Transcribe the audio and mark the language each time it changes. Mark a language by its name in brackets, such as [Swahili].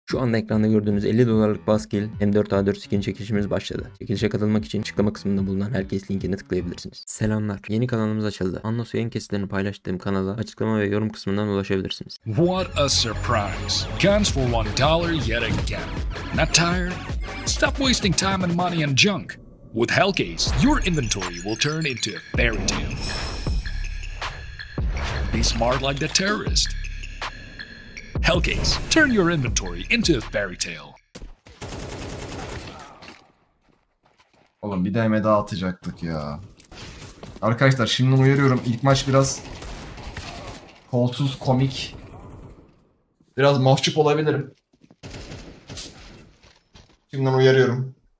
[Turkish] Şu anda ekranda gördüğünüz 50 dolarlık Baskil M4A4 skin çekilişimiz başladı. Çekilişe katılmak için açıklama kısmında bulunan herkes linkine tıklayabilirsiniz. Selamlar. Yeni kanalımız açıldı. Anlasu yayın kesitlerini paylaştığım kanala açıklama ve yorum kısmından ulaşabilirsiniz. [English] What a surprise. Guns for $1 yet again. Not tired? Stop wasting time and money on junk. With Hellcase, your inventory will turn into a fairy tale. Be smart like the terrorist. Hellcase, turn your inventory into a fairy tale. [Turkish] Oğlum bir deme daha atacaktık ya. Arkadaşlar şimdi uyarıyorum, ilk maç biraz kolsuz, komik. Biraz mahcup olabilirim. Şimdi uyarıyorum.